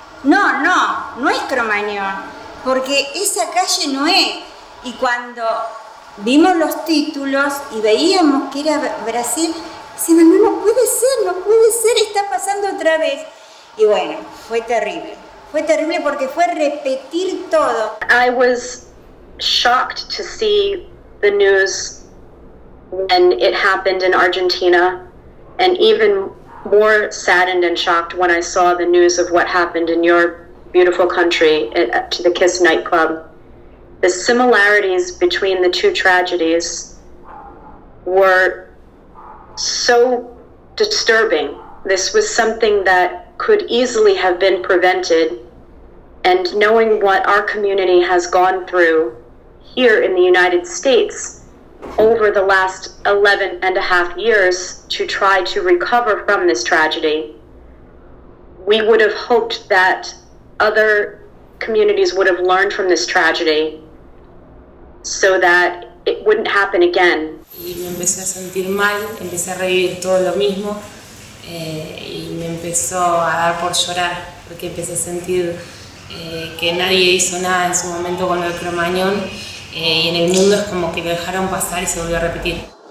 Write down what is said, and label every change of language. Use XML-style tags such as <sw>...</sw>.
<es>No es Cromañón, porque esa calle no es. Y cuando vimos los títulos y veíamos que era Brasil, decíamos, no puede ser, no puede ser, está pasando otra vez. Y bueno, fue terrible porque fue repetir todo.</es> <en>I was shocked to see the news when it happened in Argentina, and even more saddened and shocked when I saw the news of what happened in your beautiful country to the Kiss nightclub The similarities between the two tragedies were so disturbing. This was something that could easily have been prevented. And knowing what our community has gone through here in the United States over the last 11 and a half years to try to recover from this tragedy, we would have hoped that other communities would have learned from this tragedy so that it wouldn't happen again.</en> <es>Y me empecé a sentir mal, empecé a revivir todo lo mismo, y me empezó a dar por llorar, porque empecé a sentir que nadie hizo nada en su momento con el Cromañón, y en el mundo es como que lo dejaron pasar y se volvió a repetir.</es>